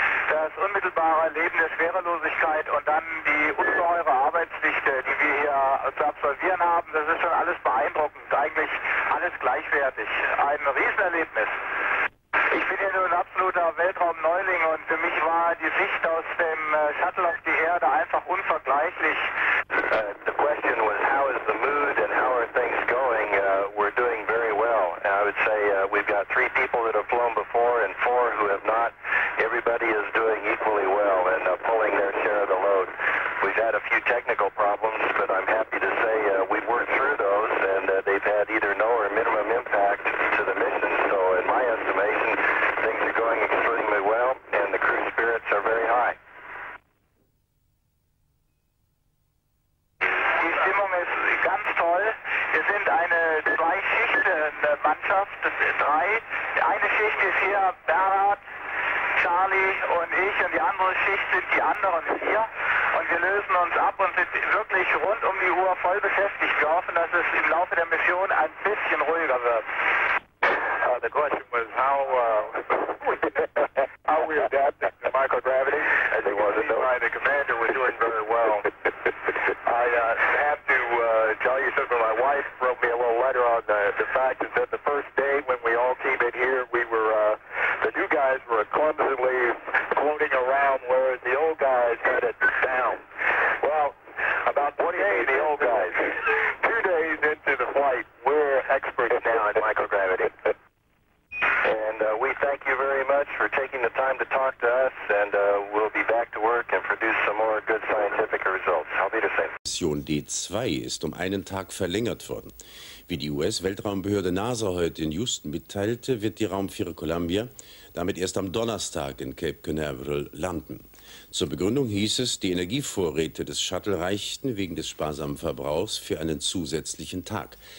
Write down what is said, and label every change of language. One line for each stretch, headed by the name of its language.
German: Das unmittelbare Erleben der Schwerelosigkeit und dann die ungeheure Arbeitsdichte, die wir hier zu absolvieren haben, das ist schon alles beeindruckend. Eigentlich alles gleichwertig. Ein Riesenerlebnis. Ich bin hier nur ein absoluter Weltraumneuling und für mich war die Sicht aus dem Shuttle auf die Erde einfach unvergleichlich.
English: The question was, how is the mood and how are things going? We're doing very well. I would say we've got three people that have flown before and four who have not. Everybody is doing equally well and pulling their share of the load. We've had a few technical problems, but I'm happy to say we've worked through those and they've had either no or minimum impact to the mission. So in my estimation, things are going extremely well and the crew spirits are very high. Wir sind eine Zwei-Schichten-Mannschaft, drei. Eine Schicht ist hier Bernhard, Charlie und ich und die andere Schicht sind die anderen hier. Und wir lösen uns ab und sind wirklich rund um die Uhr voll beschäftigt. Wir hoffen, dass es im Laufe der Mission ein bisschen ruhiger wird. The question was, how we adapted to microgravity? As it was in the right, the commander was doing very well. I have to tell you something. My wife wrote me a little letter on the fact that the first day when we all came in here, we were, the new guys were clumsily floating around, whereas the old guys had it down. Well, about 1 day, the old guys, 2 days into the flight, we're experts now in microgravity. And we thank you very much for taking the time to talk to us, and we'll be back to work and produce some more good scientific results.
German: Auf Wiedersehen. Mission D2 ist um einen Tag verlängert worden. Wie die US-Weltraumbehörde NASA heute in Houston mitteilte, wird die Raumfähre Columbia damit erst am Donnerstag in Cape Canaveral landen. Zur Begründung hieß es, die Energievorräte des Shuttle reichten wegen des sparsamen Verbrauchs für einen zusätzlichen Tag.